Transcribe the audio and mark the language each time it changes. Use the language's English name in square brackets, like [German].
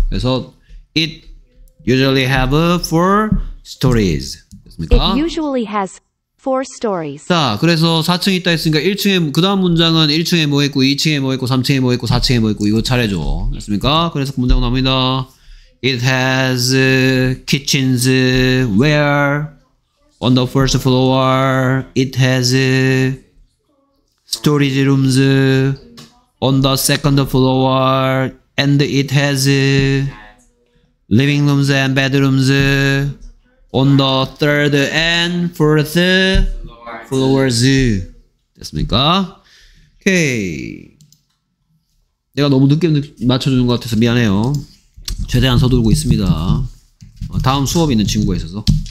[Korean] 그래서 [English] it usually have four stories. [Korean] 됐습니까? [English] It usually has four stories. [Korean] 자, 그래서 4층 있다 했으니까 1층에 그 다음 문장은 1층에 뭐 있고, 2층에 뭐 있고, 3층에 뭐 있고, 4층에 뭐 있고 이거 차례죠. 됐습니까? 그래서 그 문장 나옵니다. [English] It has kitchens where on the first floor. It has storage rooms on the second floor. And it has living rooms and bedrooms on the third and fourth floors. [Korean] 됐습니까? 오케이. 내가 너무 늦게 맞춰주는 것 같아서 미안해요. 최대한 서두르고 있습니다. 다음 수업 있는 친구가 있어서.